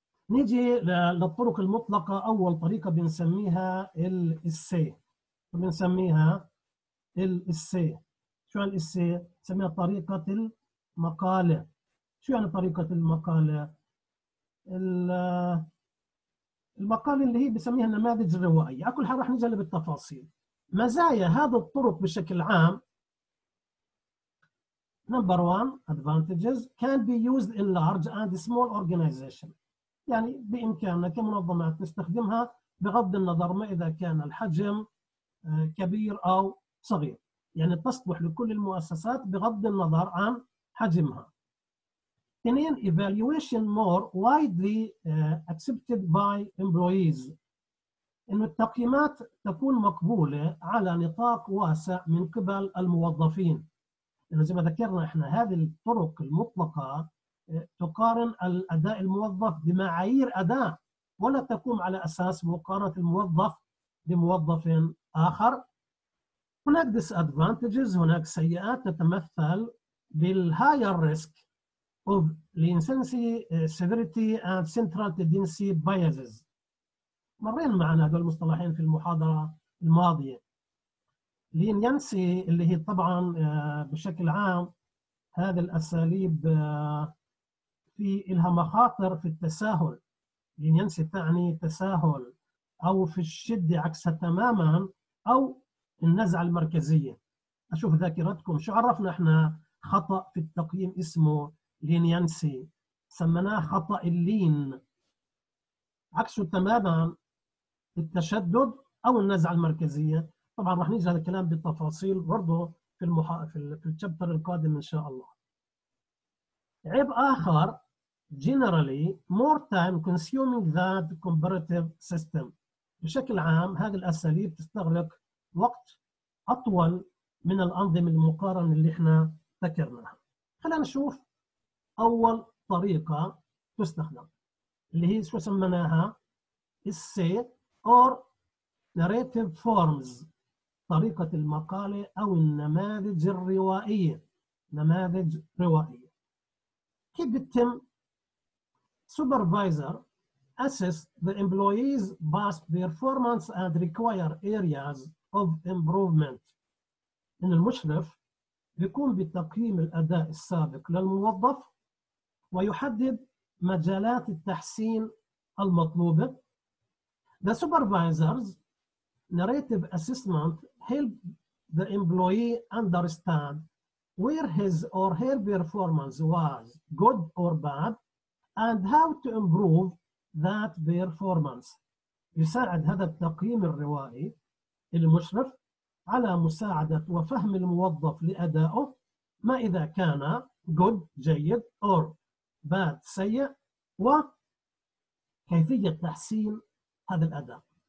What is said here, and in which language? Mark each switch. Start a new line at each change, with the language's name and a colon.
Arabic: نيجي للطرق المطلقة. أول طريقة بنسميها الـ SA بنسميها الاسي. شو يعني الاسي؟ سميها طريقة المقالة. شو يعني طريقة المقالة؟ المقالة اللي هي بسميها النماذج الروائية. أكل حال رح نزل بالتفاصيل. مزايا هذا الطرق بشكل عام:
English: number one advantages can be used in large and small organizations.
Arabic: يعني بإمكاننا كمنظمات نستخدمها بغض النظر ما إذا كان الحجم كبير أو صغير، يعني تصبح لكل المؤسسات بغض النظر عن حجمها. اثنين،
English: evaluation more widely accepted by employees.
Arabic: إنه التقييمات تكون مقبولة على نطاق واسع من قبل الموظفين. لأنه زي ما ذكرنا إحنا هذه الطرق المطلقة تقارن الأداء الموظف بمعايير أداء، ولا تقوم على أساس مقارنة الموظف بموظف آخر. هناك
English: disadvantages،
Arabic: هناك سيئات تتمثل
English: بالhigher risk of latency, severity and central tendency biases.
Arabic: مرين معنا هذول المصطلحين في المحاضرة الماضية. latency اللي هي طبعا بشكل عام هذه الأساليب في إلها مخاطر في التساهل، لين ينسي تعني تساهل أو في الشدة عكسها تماما أو النزعة المركزية. أشوف ذاكرتكم شو عرفنا إحنا خطأ في التقييم اسمه لين ينسي، سمناه خطأ اللين. عكسه تماما التشدد أو النزعة المركزية. طبعا رح نيجي هذا الكلام بالتفاصيل برضو في الشابتر القادم إن شاء الله. عيب آخر:
English: generally more time consuming than comparative system.
Arabic: بشكل عام هذه الأساليب تستغرق وقت أطول من الأنظمة المقارنة اللي احنا ذكرناها. خلينا نشوف أول طريقة تستخدم اللي هي شو سمناها
English: essay or narrative forms،
Arabic: طريقة المقالة أو النماذج الروائية. نماذج روائية كيف بتتم؟
English: supervisor assess the employees past performance and require areas of improvement.
Arabic: إن المشرف بيقوم بتقييم الأداء السابق للموظف ويحدد مجالات التحسين المطلوبة.
English: The supervisor's narrative assessment helps the employee understand where his or her performance was good or bad and how to improve that performance.
Arabic: يساعد هذا التقييم الروائي المشرف على مساعدة وفهم الموظف لأدائه، ما إذا كان good جيد or bad سيء، وكيفية تحسين هذا الأداء.